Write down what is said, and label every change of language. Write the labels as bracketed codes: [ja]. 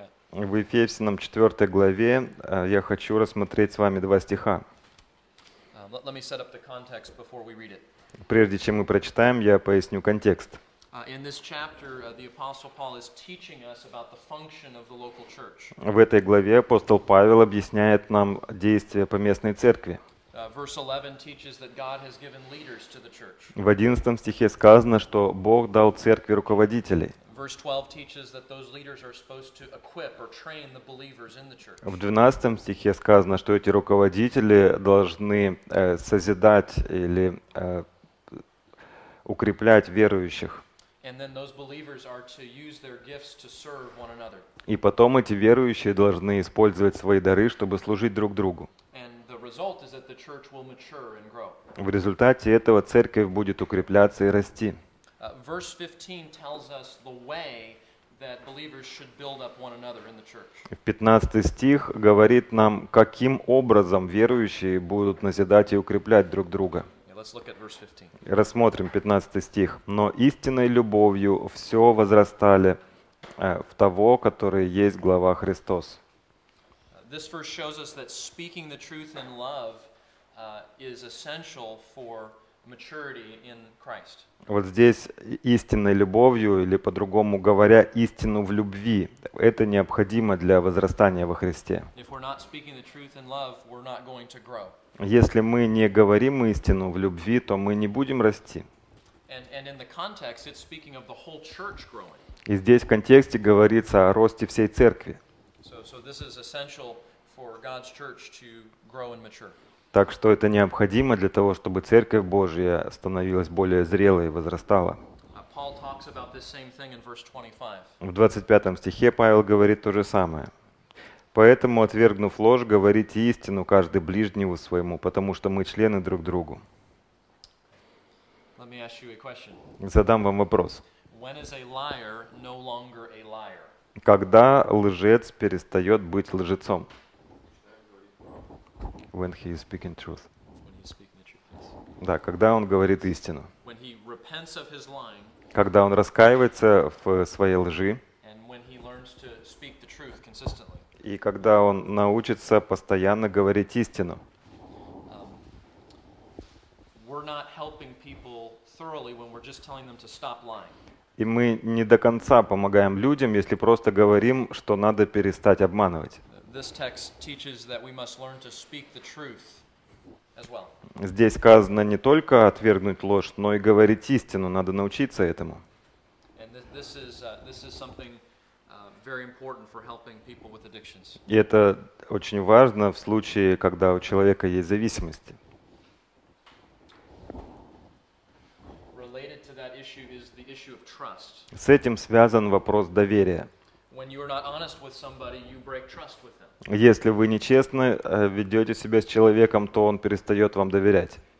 [ru] В Ефесянам 4 главе я хочу рассмотреть с вами два стиха. [en] Let me set up the context before we read it. [ru] Прежде чем мы прочитаем, я поясню контекст. [en] In this chapter, the Apostle Paul is teaching us about the function of the local church. [ru] В этой главе апостол Павел объясняет нам действия поместной церкви. [en] Verse 11 teaches that God has given leaders to the church. [ru] В 11 стихе сказано, что Бог дал церкви руководителей. [en] Verse 12 teaches that those leaders are supposed to equip or train the believers in the church. [ru] В 12 стихе сказано, что эти руководители должны созидать или укреплять верующих. [en] And then those believers are to use their gifts to serve one another. [ru] И потом эти верующие должны использовать свои дары, чтобы служить друг другу. [en] And the result is that the church will mature and grow. [ru] В результате этого церковь будет укрепляться и расти. [en] Verse 15 tells us the way that believers should build up one another in the church. [ru] 15 стих говорит нам, каким образом верующие будут назидать и укреплять друг друга. [en] Let's look at verse 15. [ru] Рассмотрим 15 стих. «Но истинной любовью все возрастали в того, который есть глава Христос». [en] This verse shows us that speaking the truth in love is essential for maturity in Christ. [ru] Вот здесь истинной любовью, или по-другому говоря, истину в любви, это необходимо для возрастания во Христе. [en] If we're not speaking the truth in love, we're not going to grow. [ru] Если мы не говорим истину в любви, то мы не будем расти. [en] And in the context, it's speaking of the whole church growing. [ru] И здесь в контексте говорится о росте всей церкви. [en] So this is essential for God's church to grow and mature. [ru] Так что это необходимо для того, чтобы Церковь Божья становилась более зрелой и возрастала. [en] Paul talks about this same thing in verse 25. [ru] В 25 стихе Павел говорит то же самое. «Поэтому, отвергнув ложь, говорите истину каждый ближнему своему, потому что мы члены друг другу». [en] Let me ask you a question. [ru] Задам вам вопрос. [en] When is a liar no longer a liar? [ru] Когда лжец перестает быть лжецом? [en] When he is speaking truth. When he is speaking the truth, yes. [ru] Да, когда он говорит истину. [en] When he repents of his lying, [ru] когда он раскаивается в своей лжи. [en] And when he learns to speak the truth consistently. [ru] И когда он научится постоянно говорить истину. [en] We're not helping people thoroughly when we're just telling them to stop lying. [ru] И мы не до конца помогаем людям, если просто говорим, что надо перестать обманывать. [en] This text teaches that we must learn to speak the truth as well. [ru] Здесь сказано не только отвергнуть ложь, но и говорить истину. Надо научиться этому. [en] And this is something very important for helping people with addictions. [ru] И это очень важно в случае, когда у человека есть зависимости. [en] Related to that issue is the issue of trust. [ru] С этим связан вопрос доверия. [en] When you are not honest with somebody, you break trust with them. [ru] Если вы нечестно ведете себя с человеком, то он перестает вам доверять.